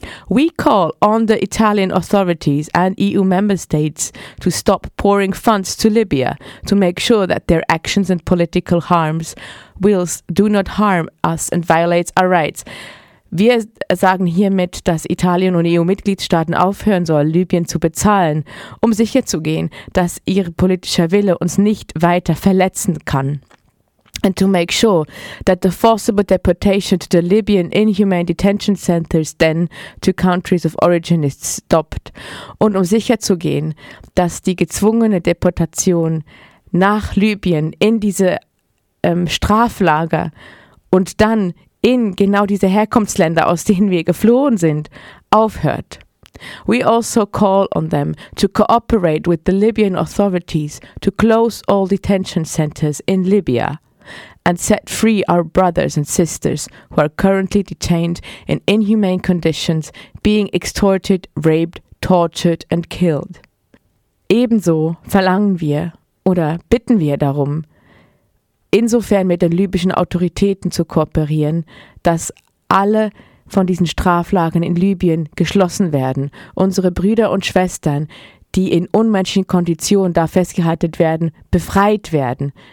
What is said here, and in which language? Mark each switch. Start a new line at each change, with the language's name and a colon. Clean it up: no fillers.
English: We call on the Italian authorities and EU member states to stop pouring funds to Libya to make sure that their actions and political harms wills do not harm us and violates our rights.
German: Wir sagen hiermit, dass Italien und EU-Mitgliedstaaten aufhören sollen, Libyen zu bezahlen, um sicherzugehen, dass ihr politischer Wille uns nicht weiter verletzen kann.
English: And to make sure that the forcible deportation to the Libyan inhumane detention centers then to countries of origin is stopped.
German: Und um sicherzugehen, dass die gezwungene Deportation nach Libyen in diese Straflager und dann in genau diese Herkunftsländer, aus denen wir geflohen sind, aufhört.
English: We also call on them to cooperate with the Libyan authorities to close all detention centers in Libya and set free our brothers and sisters who are currently detained in inhumane conditions, being extorted, raped, tortured and killed.
German: Ebenso verlangen wir oder bitten wir darum, insofern mit den libyschen Autoritäten zu kooperieren, dass alle von diesen Straflagern in Libyen geschlossen werden. Unsere Brüder und Schwestern, die in unmenschlichen Konditionen da festgehalten werden, befreit werden.